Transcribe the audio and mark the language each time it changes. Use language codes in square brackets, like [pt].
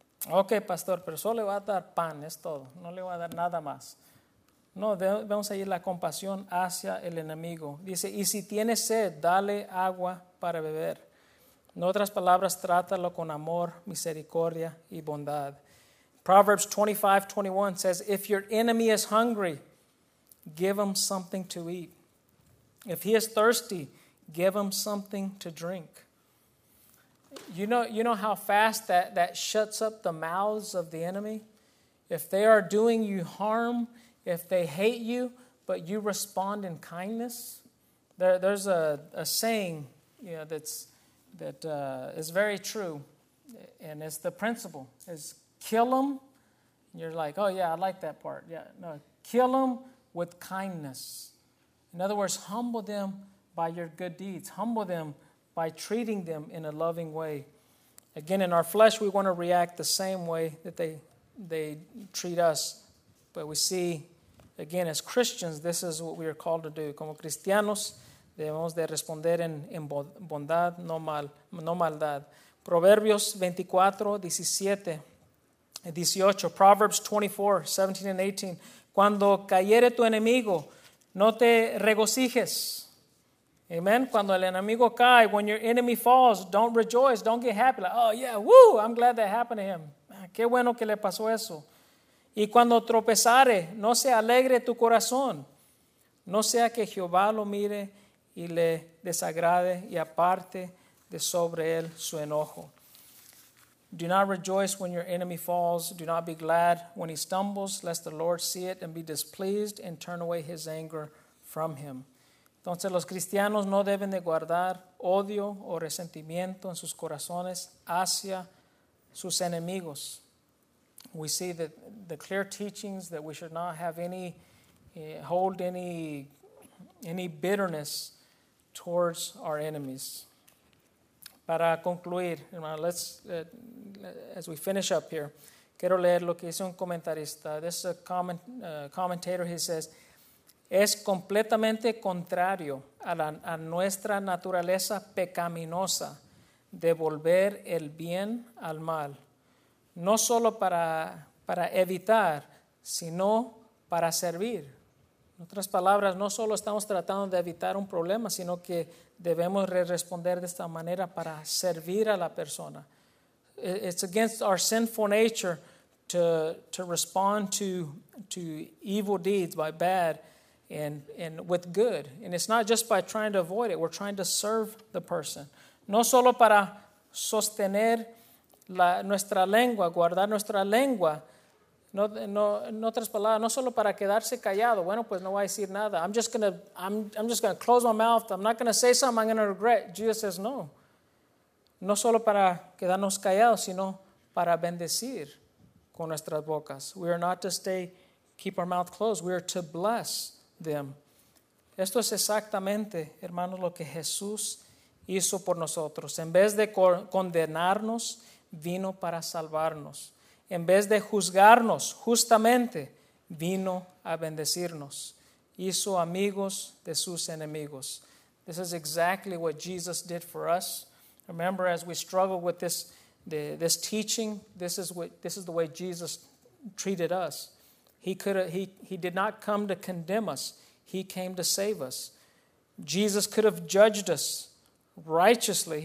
[es] Ok, pastor, pero solo le voy a dar pan, es todo. No le voy a dar nada más. No, debemos ir la compasión hacia el enemigo. Dice, y si tiene sed, dale agua para beber. En otras palabras, trátalo con amor, misericordia y bondad. [en] Proverbs 25:21 says, if your enemy is hungry, give him something to eat. If he is thirsty, give him something to drink. You know how fast that shuts up the mouths of the enemy? If they are doing you harm, if they hate you, but you respond in kindness. There's a saying, you know, that is very true, and it's the principle. It's kill them. You're like, oh, yeah, I like that part. Yeah, no, kill them with kindness. In other words, humble them by your good deeds. Humble them by treating them in a loving way. Again, in our flesh, we want to react the same way that they treat us. But we see, again, as Christians, this is what we are called to do. [es] Como cristianos, debemos de responder en bondad, no maldad. Proverbios 24:17-18. Proverbs 24:17-18. Cuando cayere tu enemigo, no te regocijes. Amen. Cuando el enemigo cae, [en] when your enemy falls, don't rejoice, don't get happy. Like, oh yeah, woo, I'm glad that happened to him. [es] Qué bueno que le pasó eso. Y cuando tropezare, no se alegre tu corazón. No sea que Jehová lo mire y le desagrade y aparte de sobre él su enojo. [en] Do not rejoice when your enemy falls. Do not be glad when he stumbles, lest the Lord see it and be displeased and turn away his anger from him. [es] Entonces, los cristianos no deben de guardar odio o resentimiento en sus corazones hacia sus enemigos. [en] We see that the clear teachings that we should not have hold any bitterness towards our enemies. [es] Para concluir, hermano, [en] as we finish up here, [es] quiero leer lo que dice un comentarista. [en] This is a commentator. He says, [es] es completamente contrario a nuestra naturaleza pecaminosa devolver el bien al mal, no solo para evitar, sino para servir. En otras palabras, no solo estamos tratando de evitar un problema, sino que debemos responder de esta manera para servir a la persona. [en] It's against our sinful nature to respond to evil deeds by bad and with good. And it's not just by trying to avoid it. We're trying to serve the person. [es] No solo para sostener nuestra lengua, guardar nuestra lengua. No, en otras palabras, no solo para quedarse callado. Bueno, pues no voy a decir nada. [en] I'm just gonna close my mouth. I'm not gonna say something I'm gonna regret. Jesus says no. [es] No solo para quedarnos callados, sino para bendecir con nuestras bocas. [en] We are not to keep our mouth closed. We are to bless them. [es] Esto es exactamente, hermanos, lo que Jesús hizo por nosotros. En vez de condenarnos, vino para salvarnos. En vez de juzgarnos justamente, vino a bendecirnos. Hizo amigos de sus enemigos. [en] This is exactly what Jesus did for us. Remember, as we struggle with this teaching, this is the way Jesus treated us. He did not come to condemn us. He came to save us. Jesus could have judged us righteously.